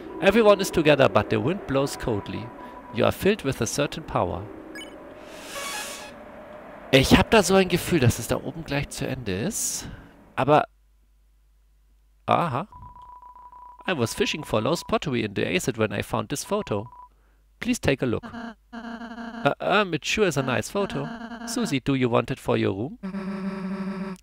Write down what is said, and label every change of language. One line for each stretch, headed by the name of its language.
English: Everyone is together, but the wind blows coldly. You are filled with a certain power.
German: Ich hab da so ein Gefühl, dass es da oben gleich zu Ende ist. Aber. Aha.
English: I was fishing for lost pottery in the acid when I found this photo. Please take a look. It sure is a nice photo. Susie, do you want it for your room?